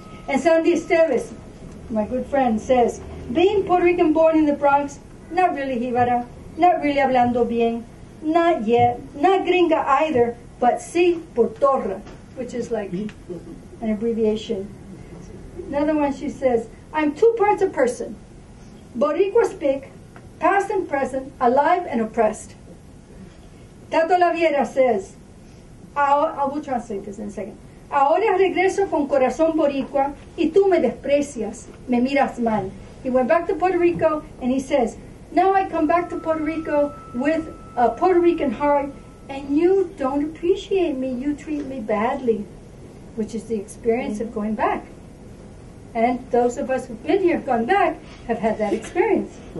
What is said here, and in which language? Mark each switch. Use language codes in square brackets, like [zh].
[en] And Sandy Esteves, my good friend, says, being Puerto Rican born in the Bronx, not really jibara, not really [es] hablando bien, [en] not yet, not gringa either, but [es] sí, por torra, [en] which is like an abbreviation. Another one, she says, I'm two parts of person. Boricua speak, past and present, alive and oppressed. Tato Laviera says, I will translate this in a second. [es] Ahora regreso con corazón boricua y tú me desprecias, me miras mal. [en] He went back to Puerto Rico and he says, now I come back to Puerto Rico with a Puerto Rican heart and you don't appreciate me, you treat me badly, which is the experience of going back. And those of us who've been here, gone back, have had that experience.